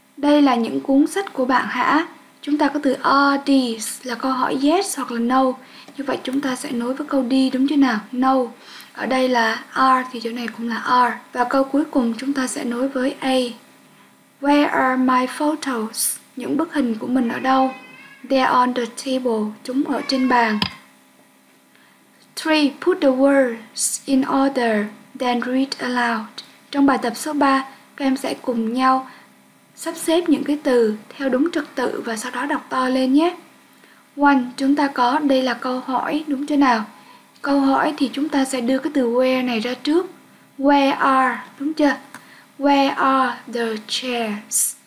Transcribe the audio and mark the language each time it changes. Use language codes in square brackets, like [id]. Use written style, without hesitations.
[vi] Đây là những cuốn sách của bạn hả? Chúng ta có từ are these là câu hỏi yes hoặc là no. Như vậy chúng ta sẽ nối với câu đi đúng chưa nào? No. Ở đây là are thì chỗ này cũng là are. Và câu cuối cùng chúng ta sẽ nối với A. [en] Where are my photos? [vi] Những bức hình của mình ở đâu? [en] They're on the table. [vi] Chúng ở trên bàn. 3. [en] Put the words in order, then read aloud. [vi] Trong bài tập số 3, các em sẽ cùng nhau sắp xếp những cái từ theo đúng trật tự và sau đó đọc to lên nhé. 1. Chúng ta có, đây là câu hỏi, đúng chưa nào? Câu hỏi thì chúng ta sẽ đưa cái từ where này ra trước. [en] Where are, [vi] đúng chưa? [en] Where are the chairs?